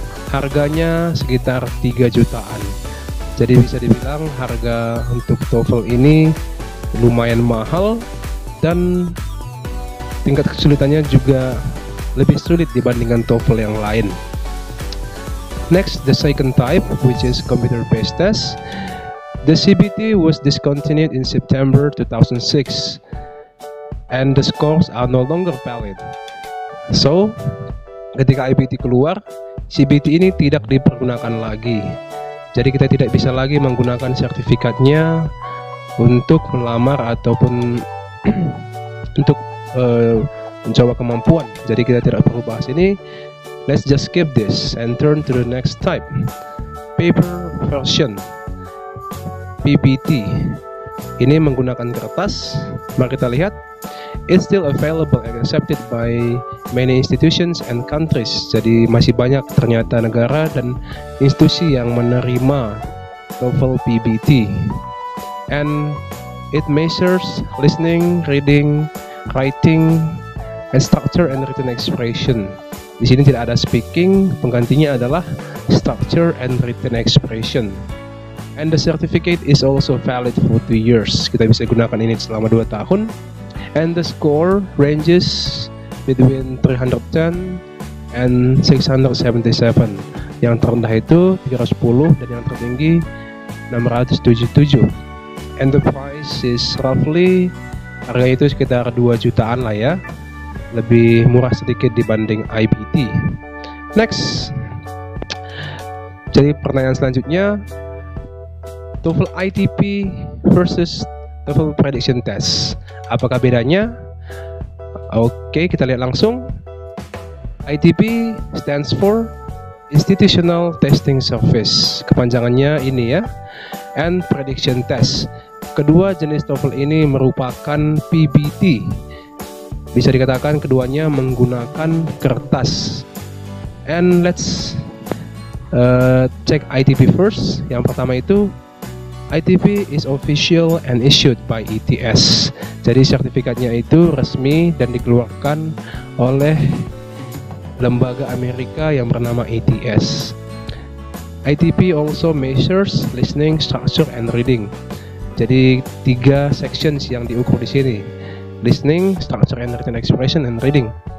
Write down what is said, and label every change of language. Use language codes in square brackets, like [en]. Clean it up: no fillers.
[id] Harganya sekitar 3 jutaan. Jadi bisa dibilang harga untuk TOEFL ini lumayan mahal dan tingkat kesulitannya juga lebih sulit dibandingkan TOEFL yang lain. [en] Next, the second type, which is computer based test. The CBT was discontinued in September 2006 and the scores are no longer valid. [id] So, ketika IBT keluar, CBT ini tidak dipergunakan lagi. Jadi kita tidak bisa lagi menggunakan sertifikatnya untuk melamar ataupun untuk mencoba kemampuan. Jadi kita tidak perlu bahas ini. [en] Let's just skip this and turn to the next type. Paper version, PBT. [id] Ini menggunakan kertas. Mari kita lihat. [en] It's still available and accepted by many institutions and countries. [id] Jadi masih banyak ternyata negara dan institusi yang menerima TOEFL PBT. [en] And it measures listening, reading, writing, and structure and written expression. [id] Di sini tidak ada speaking, penggantinya adalah structure and written expression. [en] And the certificate is also valid for 2 years. [id] Kita bisa gunakan ini selama 2 tahun. [en] And the score ranges between 310 and 677. [id] Yang terendah itu 310 dan yang tertinggi 677. [en] And the price is roughly, [id] harganya itu sekitar 2 jutaan lah ya. lebih murah sedikit dibanding IBT. Next. Jadi pertanyaan selanjutnya, TOEFL ITP versus TOEFL Prediction Test, apakah bedanya? Oke, kita lihat langsung. [en] ITP stands for Institutional Testing Service, [id] kepanjangannya ini ya, [en] and Prediction Test. [id] Kedua jenis TOEFL ini merupakan PBT. Bisa dikatakan keduanya menggunakan kertas. [en] And let's check ITP first. [id] Yang pertama itu, [en] ITP is official and issued by ETS. [id] Jadi sertifikatnya itu resmi dan dikeluarkan oleh lembaga Amerika yang bernama ETS. [en] ITP also measures listening, structure, and reading. [id] Jadi tiga sections yang diukur di sini: listening, structure and written expression, and reading.